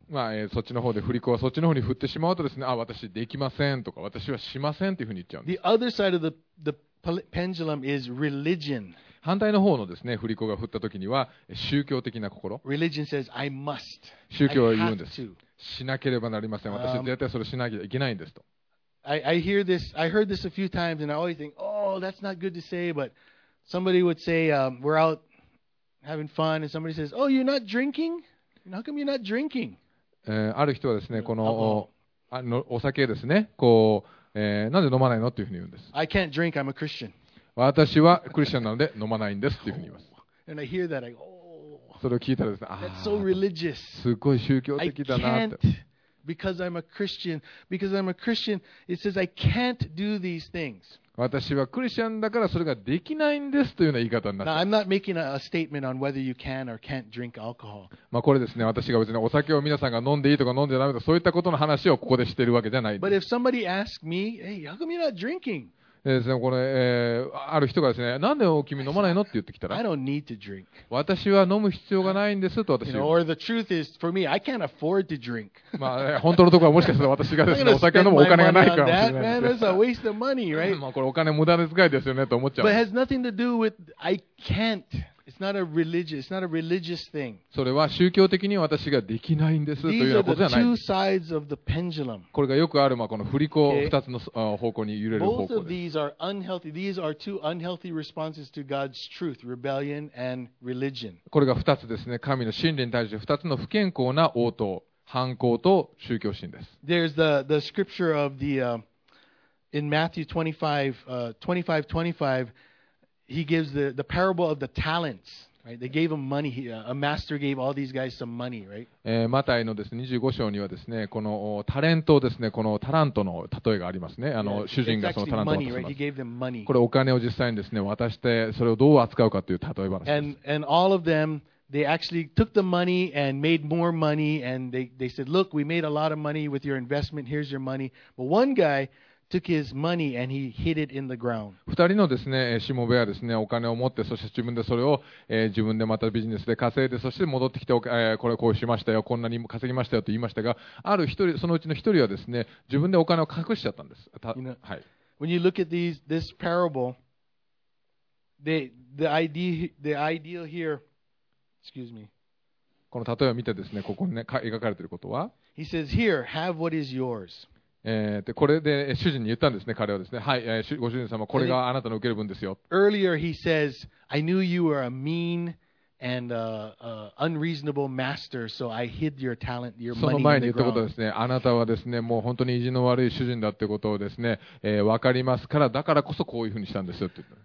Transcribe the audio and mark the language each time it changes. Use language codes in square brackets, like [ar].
[ja] まあそっちの方で振り子はそっちの方に振ってしまうとですね、あ私できませんとか私はしませんというふうに言っちゃうんです。 [en] The other side of the pendulum is religion. [ja] 反対の方のですね、振り子が振った時には宗教的な心。 [en] Religion says I must. [ja] 宗教は言うんです。しなければなりません。私絶対それしなきゃいけないんですと。 [en] I hear this. I heard this a few times, and I always think, oh, that's not good to say. But somebody would say, we're out having fun, and somebody says, oh, you're not drinking? How come you're not drinking? [ja] ある人はですね、この お酒ですね、こう、なんで飲まないのというふうに言うんです。 [en] I can't drink, I'm a Christian. [ja] 私はクリスチャンなので飲まないんですというふうに言います。 [en] And I hear that, I go, [ja] oh, それを聞いたらですね、 [en] That's so religious. [ja] すごい宗教的だなって。 [en] I can't because I'm a Christian. Because I'm a Christian, it says I can't do these things. [ja] 私はクリスチャンだからそれができないんですというような言い方になってます。 [en] Now, I'm not making a statement on whether you can or can't drink alcohol. [ja] まあこれですね、私が別にお酒を皆さんが飲んでいいとか飲んでダメとかそういったことの話をここでしているわけじゃないんです。 [en] But if somebody asks me, hey, how come you're not drinking? [ja] ですね、これ、ある人がですね、なんで君飲まないのって言ってきたら、 [en] I don't need to drink. [ja] 私は飲む必要がないんですと私は。 [en] You know, or the truth is, for me, I can't afford to drink. [ja] まあ、本当のところはもしかしたら私がですね、お酒飲むお金がないかもしれないです。 [en] That, man, that's a waste of money, right? [ja] まあ、これお金無駄遣いですよねと思っちゃう。 [en] But it has nothing to do with I can't. It's not a religious, it's not a religious thing. [ja] それは宗教的に私ができないんですというようなことじゃない。 [en] These are the two sides of the pendulum. [ja] これがよくある、まあ、この振り子を2つの方向に揺れる方向です。 [en] Both of these are unhealthy. These are two unhealthy responses to God's truth, rebellion and religion. [ja] これが2つですね。神の真理に対して2つの不健康な応答、反抗と宗教心です。 [en] There's the scripture of the, in Matthew 25:25,He gives the parable of the talents, right? They gave him money. A master gave all these guys some money, right? [ja] マタイのですね、25章にはですね、このタレントですね、このタラントの例えがありますね。主人がそのタラントを渡します。 [en] He gave them money. [ja] これお金を実際にですね、渡してそれをどう扱うかという例え話です。 [en] And all of them, they actually took the money and made more money. And they said, look, we made a lot of money with your investment. Here's your money. But one guy... took his money and he hid it in the ground. [ja] 2人のですね、しもべはですね、お金を持って、そして自分でそれを、自分でまたビジネスで稼いで、そして戻ってきて、これこうしましたよ、こんなに稼ぎましたよと言いましたが、ある1人、そのうちの1人はですね、自分でお金を隠しちゃったんです。 [en] You know, [ja] はい。 [en] When you look at this parable, the idea here, excuse me. [ja] この例えを見てですね、ここにね、描かれていることは、 [en] He says, here, have what is yours. [ja] でこれで主人に言ったんですね、彼はですね、はい、ご主人様、これがあなたの受ける分ですよ。 [en] Earlier he says, I knew you were a mean and unreasonable master, so I hid your talent, your money in the ground. [ja] その前に言ったことですね、あなたはですね、もう本当に意地の悪い主人だってことをですね、分かりますから、だからこそこういうふうにしたんですよって言った。